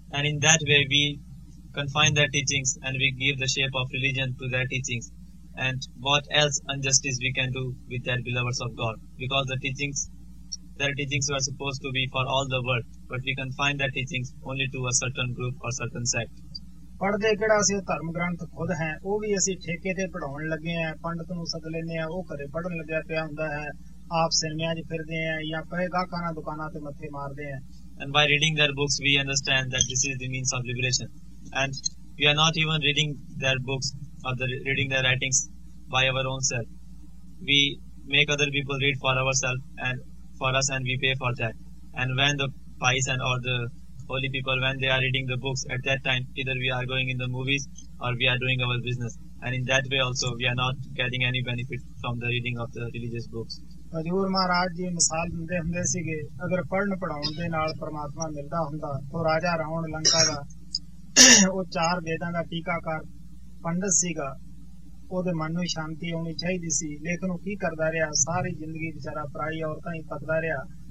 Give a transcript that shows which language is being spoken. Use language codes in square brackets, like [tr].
[en] and in that way we confine their teachings and we give the shape of religion to their teachings. And what else injustice we can do with their beloveds of God, because the teachings, their teachings were supposed to be for all the world, but we confine their teachings only to a certain group or certain sect. [pa] ਪੜਦੇ ਕਿਹੜਾ ਸੀ ਧਰਮ ਗ੍ਰੰਥ ਖੁਦ ਹੈ ਉਹ ਵੀ ਅਸੀਂ ਠੇਕੇ ਤੇ ਪੜਾਉਣ ਲੱਗੇ ਆ, ਪੰਡਤ ਨੂੰ ਸੱਦ ਲੈਨੇ ਆ ਉਹ ਘਰੇ ਪੜਨ ਲੱਗਿਆ ਪਿਆ ਹੁੰਦਾ ਹੈ, ਆਪ ਸਿਨੇਮਿਆਂ 'ਚ ਫਿਰਦੇ ਆ ਜਾਂ ਪਏ ਗਾਹਕਾਂ ਨਾਲ ਦੁਕਾਨਾਂ ਤੇ ਮੱਥੇ ਮਾਰਦੇ ਆ। [en] And by reading their books we understand that this is the means of liberation, and we are not even reading their books or the reading their writings by our own self, we make other people read for ourselves and for us, and we pay for that. And when the pious and or the holy people, when they are reading the books, at that time either we are going in the movies or we are doing our business, and in that way also we are not getting any benefit from the reading of the religious books. [pa] ਹਜ਼ੂਰ ਮਹਾਰਾਜ ਜੀ ਮਿਸਾਲ ਦਿੰਦੇ ਹੁੰਦੇ ਸੀਗੇ, ਅਗਰ ਪੜ੍ਹਨ ਪੜ੍ਹਾਉਣ ਦੇ ਨਾਲ ਪਰਮਾਤਮਾ ਮਿਲਦਾ ਹੁੰਦਾ ਤਾਂ ਰਾਜਾ ਰਾਵਣ ਲੰਕਾ ਦਾ ਉਹ ਚਾਰ ਵੇਦਾਂ ਦਾ ਟੀਕਾਕਾਰ ਪੰਡਿਤ ਸੀਗਾ, ਉਹਦੇ ਮਨ ਨੂੰ ਸ਼ਾਂਤੀ ਆਉਣੀ ਚਾਹੀਦੀ ਸੀ, ਲੇਕਿਨ ਉਹ ਕੀ ਕਰਦਾ ਰਿਹਾ, ਸਾਰੀ ਜ਼ਿੰਦਗੀ ਵਿਚਾਰਾ ਪਰਾਈ ਔਰਤਾਂ ਹੀ ਪੱਕਦਾ ਰਿਹਾ।